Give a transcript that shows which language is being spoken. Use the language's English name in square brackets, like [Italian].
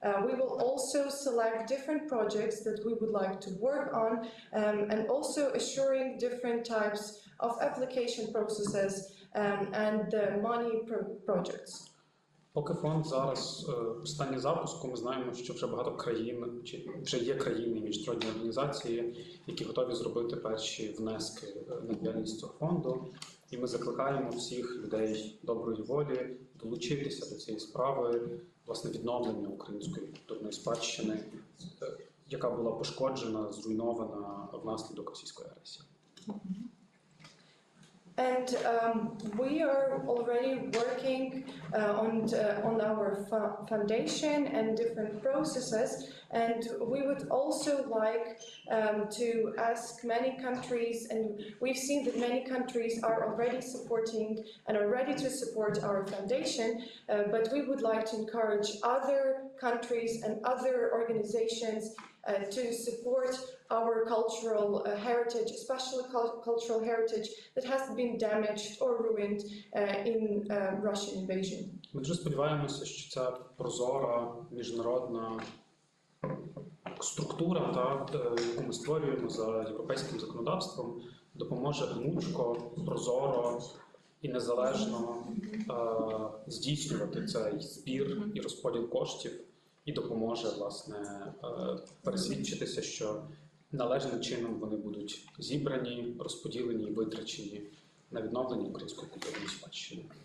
[English] We will also select different projects that we would like to work on, and also assuring different types of application processes and the money projects. [Ukrainian] Поки фонд зараз у стані запуску, ми знаємо, що вже багато країн, чи вже є країни і міжнародні організації, які готові зробити перші внески на діяльність цього фонду. І ми закликаємо всіх людей доброї волі долучитися до цієї справи, власне, відновлення української культурної спадщини, яка була пошкоджена, зруйнована внаслідок російської агресії. [English] And we are already working on our foundation and different processes, and we would also like to ask many countries, and we've seen that many countries are already supporting and are ready to support our foundation, but we would like to encourage other countries and other organizations to support our cultural heritage, especially cultural heritage that has been damaged or ruined in Russian invasion. [Ukrainian] Ми дуже сподіваємося, що ця прозора міжнародна структура, яку ми створюємо за європейським законодавством, допоможе гнучко, прозоро і незалежно здійснювати цей збір і розподіл коштів і допоможе, власне, пересвідчитися, що належним чином вони будуть зібрані, розподілені і витрачені на відновлення української культурної спадщини.